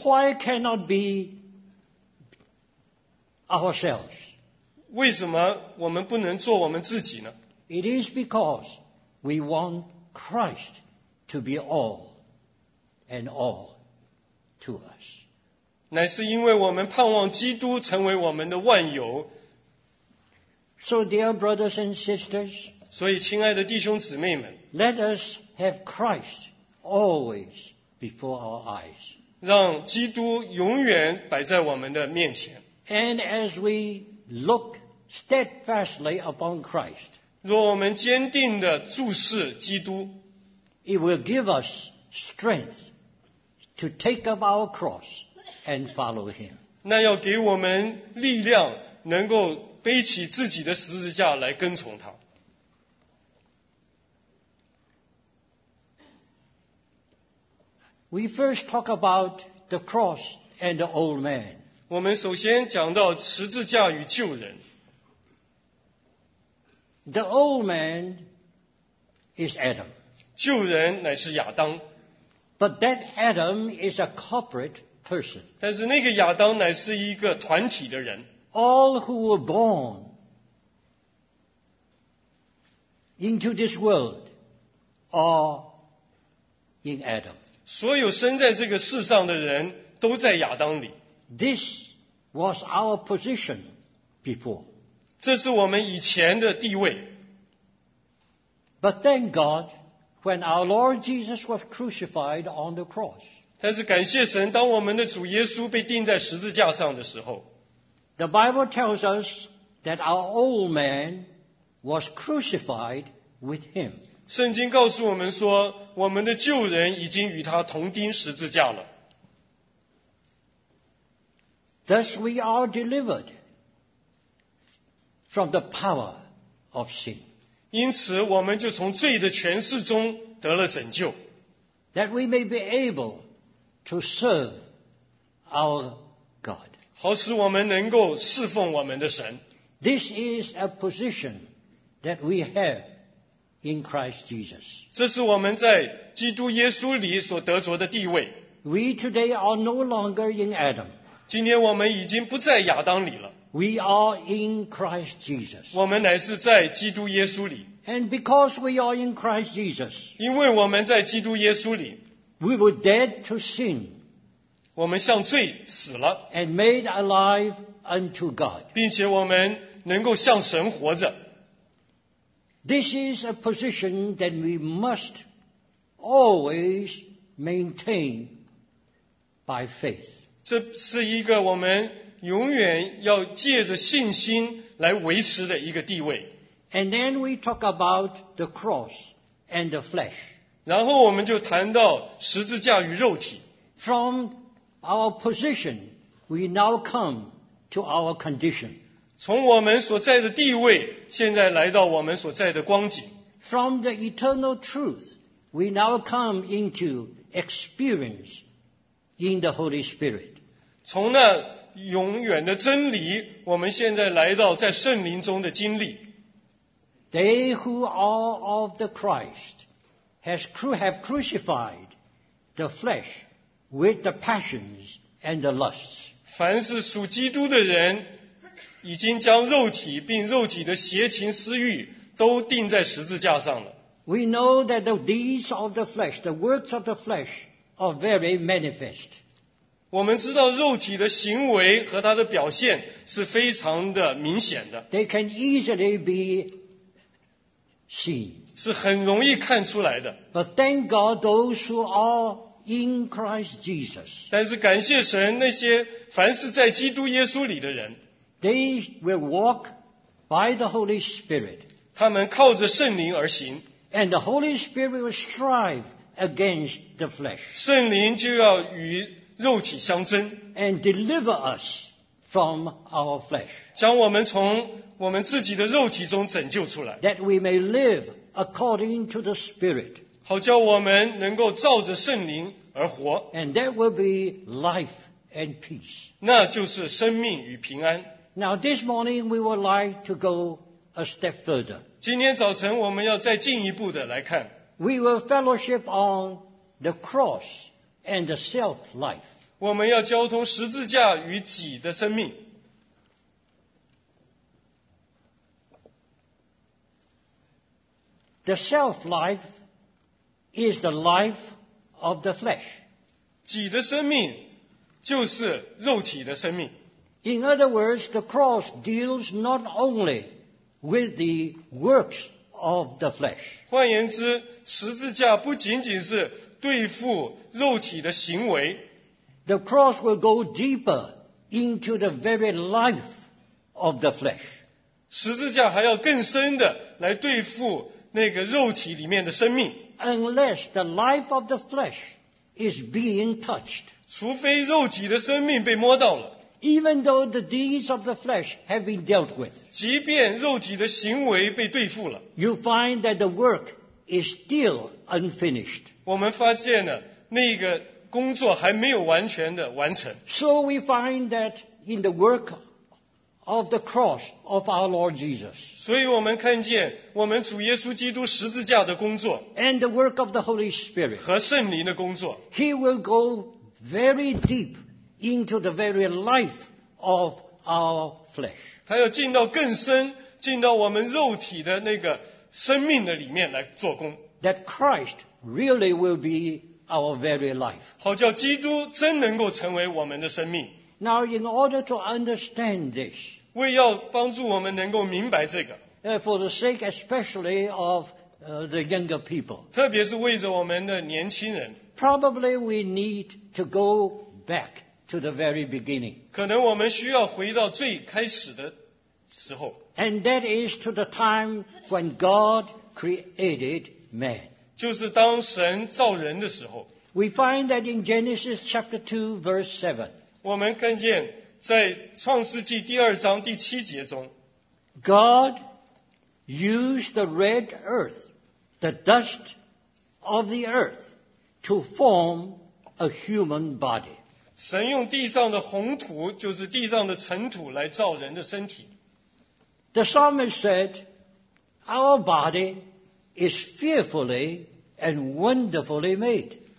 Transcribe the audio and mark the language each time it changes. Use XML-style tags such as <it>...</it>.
<en>Why cannot be ourselves?</en> <zh>为什么我们不能做我们自己呢?</zh> <en>It is because we want Christ to be all and all to us.</en> <zh>乃是因为我们盼望基督成为我们的万有。</zh> <en>So dear brothers and sisters,</en> <zh>所以亲爱的弟兄姊妹们,</zh> <en>let us have Christ always before our eyes.</en> <zh>让基督永远摆在我们的面前。</zh> <en>And as we look steadfastly upon Christ,</en> <zh>若我们坚定地注视基督,</zh> <en>it will give us strength to take up our cross and follow Him.</en> <zh>那要给我们力量, 能够背起自己的十字架来跟从他。</zh> <en>We first talk about the cross and the old man.</en> <zh>我们首先讲到十字架与旧人。</zh> <en>The old man is Adam.</en> <zh>旧人乃是亚当。</zh> <en>But that Adam is a corporate person.</en> <zh>但是那个亚当乃是一个团体的人。</zh> <en>All who were born into this world are in Adam.</en> <zh>所有生在这个世上的人都在亚当里。</zh> <en>This was our position before.</en> <zh>这是我们以前的地位。</zh> <en>But thank God, when our Lord Jesus was crucified on the cross,</en> <zh>但是感谢神, 当我们的主耶稣被钉在十字架上的时候,</zh> <en>the Bible tells us that our old man was crucified with him.</en> <zh>圣经告诉我们说, 我们的旧人已经与他同钉十字架了。</zh> <en>Thus we are delivered from the power of sin.</en> <zh>因此我们就从罪的权势中得了拯救。</zh> <en>That we may be able to serve our God.</en> <zh>好使我们能够侍奉我们的神。</zh> <en>This is a position that we have in Christ Jesus.</en> <zh>这是我们在基督耶稣里所得着的地位。</zh> <en>We today are no longer in Adam.</en> <zh>今天我们已经不在亚当里了。</zh> <en>We are in Christ Jesus.</en> <zh>我们乃是在基督耶稣里。</zh> <en>And because we are in Christ Jesus,</en> <zh>因为我们在基督耶稣里，</zh> <en>we were dead to sin.</en> <zh>我们向罪死了。</zh> <en>And made alive unto God.</en> <zh>并且我们能够向神活着。</zh> <en>This is a position that we must always maintain by faith.</en> <zh>这是一个我们永远要借着信心来维持的一个地位。</zh> <en>And then we talk about the cross and the flesh.</en> <zh>然后我们就谈到十字架与肉体。</zh> <en>From our position, we now come to our condition.</en> <zh>从我们所在的地位，现在来到我们所在的光景。</zh> <en>From the eternal truth, we now come into experience in the Holy Spirit.</en> <zh>从那永远的真理，我们现在来到在圣灵中的经历。</zh> <en>They who are of the Christ have crucified the flesh with the passions and the lusts.</en> <zh>凡是属基督的人，已经将肉体并肉体的邪情私欲都钉在十字架上了。</zh> <en>We know that the deeds of the flesh, the works of the flesh, are very manifest.</en> <zh>我们知道肉体的行为和它的表现是非常的明显的。</zh> <en>They can easily be seen.</en> <zh>是很容易看出来的。</zh> <en>But thank God those who are in Christ Jesus.</en> <zh>但是感谢神，那些凡是在基督耶稣里的人。</zh> <en>They will walk by the Holy Spirit.</en> <zh>他们靠着圣灵而行。</zh> <en>And the Holy Spirit will strive against the flesh.</en> <zh>圣灵就要与肉体相争。</zh> <en>And deliver us from our flesh.</en> <zh>将我们从我们自己的肉体中拯救出来。</zh> <en>That we may live according to the Spirit.</en> <zh>好叫我们能够照着圣灵而活。</zh> <en>And that will be life and peace.</en> <zh>那就是生命与平安。</zh> <en>Now this morning we would like to go a step further.</en> <zh>今天早晨我们要再进一步的来看。</zh> <en>We will fellowship on the cross and the self-life.</en> <zh>我们要交通十字架与己的生命。</zh> <en>The self-life is the life of the flesh.</en> <zh>己的生命就是肉体的生命。</zh> <en>In other words, the cross deals not only with the works of the flesh.</en> <zh>换言之，十字架不仅仅是对付肉体的行为。</zh> <en>The cross will go deeper into the very life of the flesh.</en> <zh>十字架还要更深的来对付那个肉体里面的生命。</zh> <en>Unless the life of the flesh is being touched.</en> <zh>除非肉体的生命被摸到了。</zh> <en>Even though the deeds of the flesh have been dealt with.</en> <zh>即便肉体的行为被对付了。</zh> <en>You find that the work is still unfinished.</en> <zh>我们发现了那个工作还没有完全的完成。</zh> <en>So we find that in the work of the cross of our Lord Jesus.</en> <zh>所以我们看见我们主耶稣基督十字架的工作。</zh> <en>And the work of the Holy Spirit.</en> <zh>和圣灵的工作。</zh> <en>He will go very deep into the very life of our flesh.</en> <zh>他要进到更深，进到我们肉体的那个生命的里面来做工。</zh> <en>That Christ really will be our very life.</en> <zh>好叫基督真能够成为我们的生命。</zh> <en>Now, in order to understand this,</en> <zh>为要帮助我们能够明白这个，</zh> <en>for the sake especially of the younger people,</en> <zh>特别是为着我们的年轻人，</zh> <en>probably we need to go back to the very beginning.</en> <zh>可能我们需要回到最开始的时候。</zh> <en>And that is to the time when God created man.</en> <zh>就是当神造人的时候。</zh> <en>We find that in Genesis chapter 2, verse 7,</en> <zh>我们看见在创世纪第二章第七节中，</zh> <en>God used the red earth, the dust of the earth, to form a human body.</en> <zh>神用地上的红土，就是地上的尘土，来造人的身体。</zh> <en>The psalmist said, "Our body is fearfully and wonderfully made."</en>